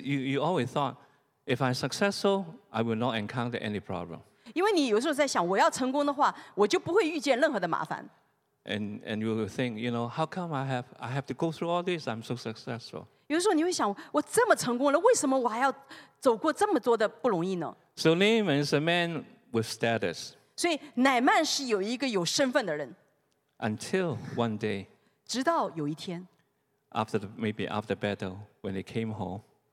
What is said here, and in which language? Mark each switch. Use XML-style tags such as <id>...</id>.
<en>you always thought, if I'm successful, I will not encounter any problem.</en> <zh>因为你有时候在想，我要成功的话，我就不会遇见任何的麻烦。</zh> <en>And you will think, you know, how come I have to go through all this? I'm so successful.</en> <zh>有时候你会想，我这么成功了，为什么我还要走过这么多的不容易呢？</zh> <en>So Naaman is a man with status.</en> <zh>所以乃曼是有一个有身份的人。</zh> <en>Until one day,</en> <zh>直到有一天,</zh> <en>after battle, when he came home,</en>